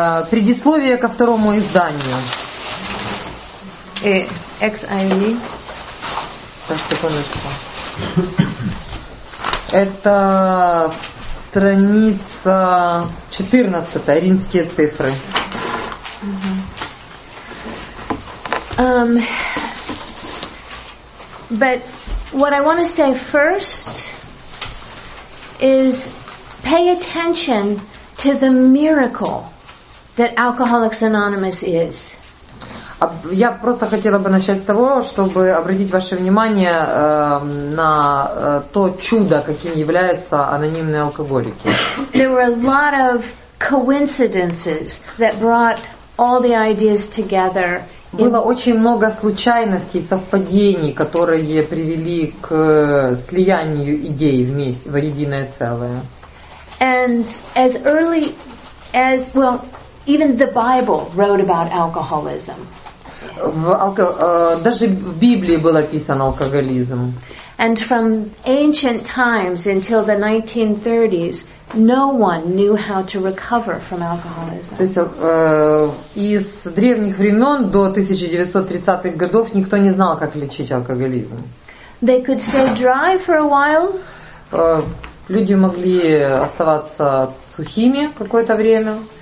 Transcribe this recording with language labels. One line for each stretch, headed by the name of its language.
Russian: Предисловие ко второму изданию. XIV. Так, секундочку. Это страница 14, римские цифры.
English: But what I want to say first is pay attention to the miracle that Alcoholics Anonymous is.
Russian: Я просто хотела бы начать с того, чтобы обратить ваше внимание на то чудо, каким являются анонимные алкоголики.
English: There were a lot of coincidences that brought all the ideas together.
Russian: Было очень много случайностей, совпадений, которые привели к слиянию идей вместе, в единое целое.
English: And as early as, well, even the Bible wrote about alcoholism.
Russian: Даже в Библии было писано алкоголизм.
English: And from ancient times until the 1930s, no one knew how то recover from alcoholism.
Russian: Из древних времен до 1930-х годов никто не знал, как лечить алкоголизм.
English: They could stay dry for a while.
Russian: Люди могли оставаться сухими какое-то время.